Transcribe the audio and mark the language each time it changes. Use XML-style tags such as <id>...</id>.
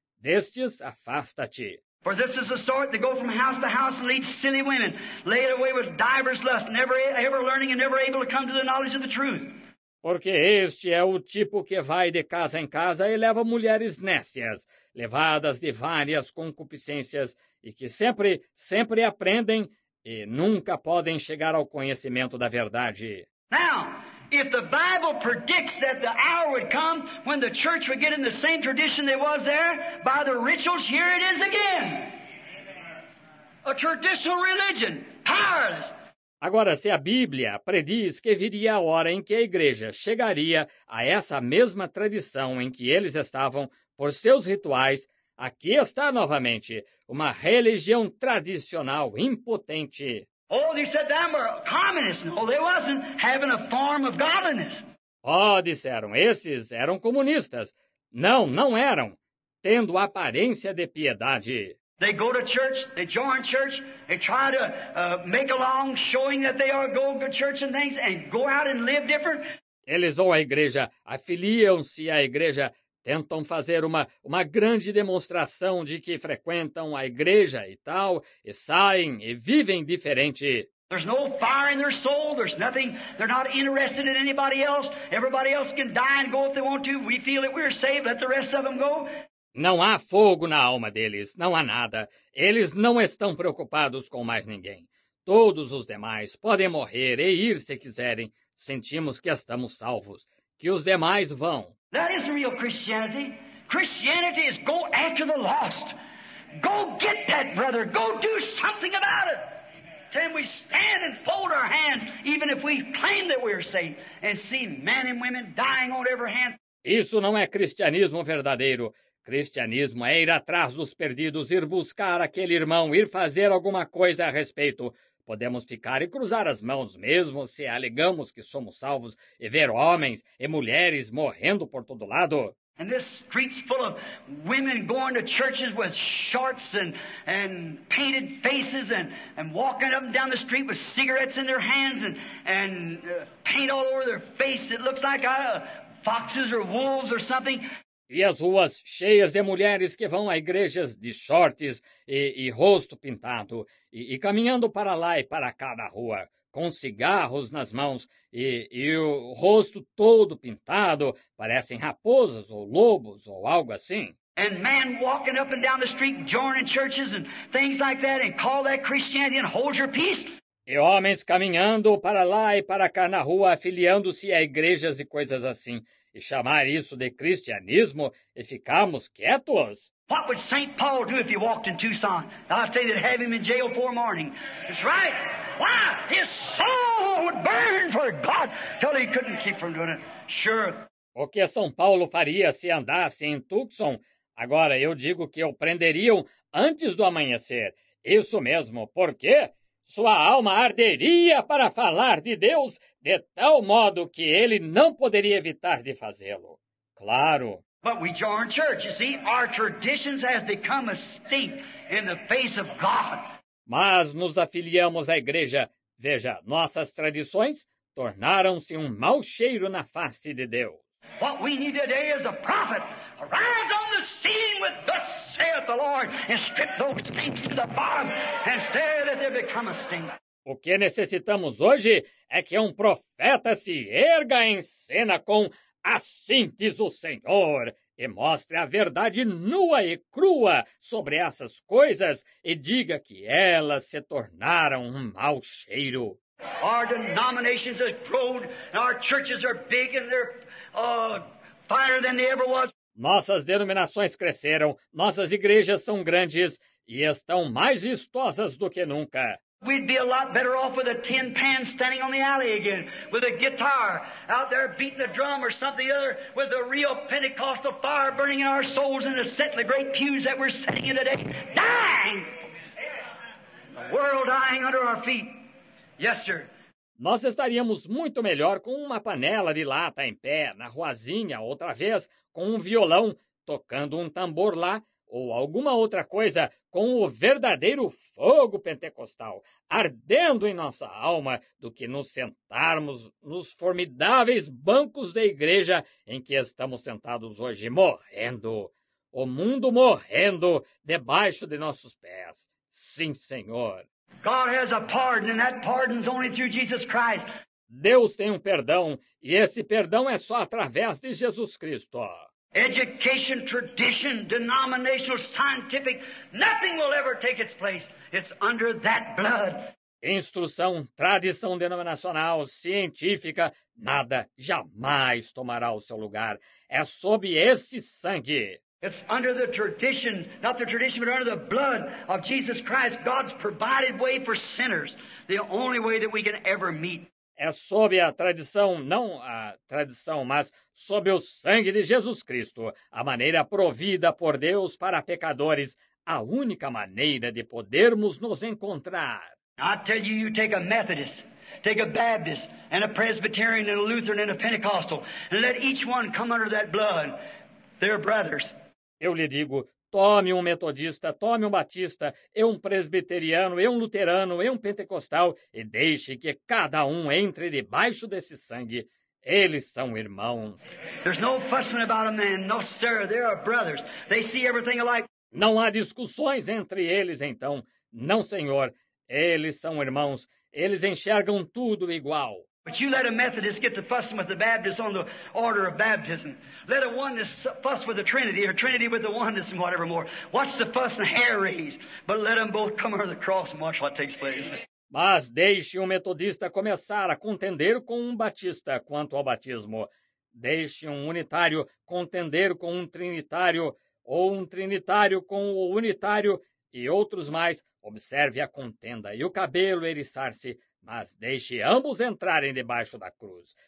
<pt>Destes, afasta-te.</pt> <en>For this is the sort that go from house to house and lead silly women, laid away with divers lusts, never learning and never able to come to the knowledge of the truth.</en> <pt>Porque este é o tipo que vai de casa em casa e leva mulheres nécias, levadas de várias concupiscências, e que sempre, sempre aprendem e nunca podem chegar ao conhecimento da verdade.</pt> <en>Now, if the Bible predicts that the hour would come when the church would get in the same tradition they was there by the rituals, here it is again. A traditional religion, powerless.</en> <pt>Agora, se a Bíblia prediz que viria a hora em que a igreja chegaria a essa mesma tradição em que eles estavam por seus rituais, aqui está novamente uma religião tradicional impotente.</pt> <en>Oh, they said they were communists. No, they wasn't having a form of godliness.</en> <pt>Oh, disseram, esses eram comunistas. Não, não eram, tendo aparência de piedade.</pt> <en>They go to church, they join church, they try to make along, showing that they are going to church and things, and go out and live different.</en> <pt>Eles vão à igreja, afiliam-se à igreja, tentam fazer uma grande demonstração de que frequentam a igreja e tal, e saem e vivem diferente.</pt> <en>There's no fire in their soul, there's nothing, they're not interested in anybody else. Everybody else can die and go if they want to. We feel that we're saved, let the rest of them go.</en> <pt>Não há fogo na alma deles, não há nada. Eles não estão preocupados com mais ninguém. Todos os demais podem morrer e ir se quiserem. Sentimos que estamos salvos. Que os demais vão.</pt> <en>That isn't real Christianity. Christianity is go after the lost. Go get that brother. Go do something about it. Can we stand and fold our hands, even if we claim that we're saved, and see men and women dying on every hand?</en> <pt>Isso não é cristianismo verdadeiro. Cristianismo é ir atrás dos perdidos, ir buscar aquele irmão, ir fazer alguma coisa a respeito. Podemos ficar e cruzar as mãos mesmo se alegamos que somos salvos e ver homens e mulheres morrendo por todo lado.</pt> <en>And this street's full of women going to churches with shorts and painted faces and walking up and down the street with cigarettes in their hands and paint all over their face. It looks like foxes or wolves or something.</en> <pt>E as ruas cheias de mulheres que vão a igrejas de shorts e rosto pintado, e caminhando para lá e para cá na rua, com cigarros nas mãos e o rosto todo pintado, parecem raposas ou lobos ou algo assim.</pt> <en>And man walking up and down the street, joining churches and things like that, and call that Christianity and hold your peace.</en> <pt>E homens caminhando para lá e para cá na rua, afiliando-se a igrejas e coisas assim. E chamar isso de cristianismo e ficarmos quietos?</pt> <en>What would St. Paul do if he walked in Tucson? I'd say they'd have him in jail for a morning. That's right. Why? His soul would burn for God till he couldn't keep from doing it. Sure.</en> <pt>O que São Paulo faria se andasse em Tucson? Agora eu digo que o prenderiam antes do amanhecer. Isso mesmo. Por quê? Sua alma arderia para falar de Deus de tal modo que ele não poderia evitar de fazê-lo. Claro.</pt> <en>But we join church, you see, our traditions has become a stink in the face of God.</en> <pt>Mas nos afiliamos à igreja. Veja, nossas tradições tornaram-se um mau cheiro na face de Deus.</pt> <en>What we need today is a prophet. Arise on the scene with thus saith the Lord, and strip those stinks to the bottom, and say that they become a stink.</en> <pt>O que necessitamos hoje é que um profeta se erga em cena com assim diz o Senhor, e mostre a verdade nua e crua sobre essas coisas, e diga que elas se tornaram um mau cheiro.</pt> <en>Our denominations have grown, and our churches are big, and they're finer than they ever was.</en> <pt>Nossas denominações cresceram, nossas igrejas são grandes e estão mais vistosas do que nunca.</pt> <en>We'd be a lot better off with a tin pan standing on the alley again, with a guitar out there beating the drum or something other, with the real Pentecostal fire burning in our souls and the great pews that we're sitting in today, dying! The world dying under our feet. Yes, sir.</en> <pt>Nós estaríamos muito melhor com uma panela de lata em pé, na ruazinha, outra vez, com um violão, tocando um tambor lá, ou alguma outra coisa, com o verdadeiro fogo pentecostal, ardendo em nossa alma, do que nos sentarmos nos formidáveis bancos da igreja em que estamos sentados hoje, morrendo. O mundo morrendo debaixo de nossos pés. Sim, Senhor.</pt> <en>God has a pardon, and that pardon's only through Jesus Christ.</en> <pt>Deus tem um perdão, e esse perdão é só através de Jesus Cristo.</pt> <en>Education, tradition, denominational, scientific, nothing will ever take its place. It's under that blood.</en> <pt>Instrução, tradição denominacional, científica, nada jamais tomará o seu lugar. É sob esse sangue.</pt> <en>It's under the tradition, not the tradition, but under the blood of Jesus Christ, God's provided way for sinners, the only way that we can ever meet.</en> <pt>É sob a tradição, não a tradição, mas sob o sangue de Jesus Cristo, a maneira provida por Deus para pecadores, a única maneira de podermos nos encontrar.</pt> <en>I tell you, you take a Methodist. Take a Baptist and a Presbyterian and a Lutheran and a Pentecostal and let each one come under that blood. They're brothers.</en> <pt>Eu lhe digo, Tome um metodista, tome um batista, e um presbiteriano, e um luterano, e um pentecostal, e deixe que cada um entre debaixo desse sangue. Eles são irmãos.</pt> <en>There's no fussing about a man, no sir, they are brothers. They see everything alike.</en> <pt>Não há discussões entre eles, então. Não, senhor. Eles são irmãos. Eles enxergam tudo igual.</pt> <en>But you let a Methodist get to fussing with the Baptist on the order of baptism. Let a oneness fuss with the Trinity, or Trinity with the oneness, and whatever more. Watch the fuss and hair raise. But let them both come under the cross and watch what takes place.</en> <pt>Mas deixe um metodista começar a contender com um batista quanto ao batismo. Deixe um unitário contender com um trinitário, ou um trinitário com o unitário, e outros mais. Observe a contenda e o cabelo eriçar-se. Mas deixe ambos entrarem debaixo da cruz.</pt>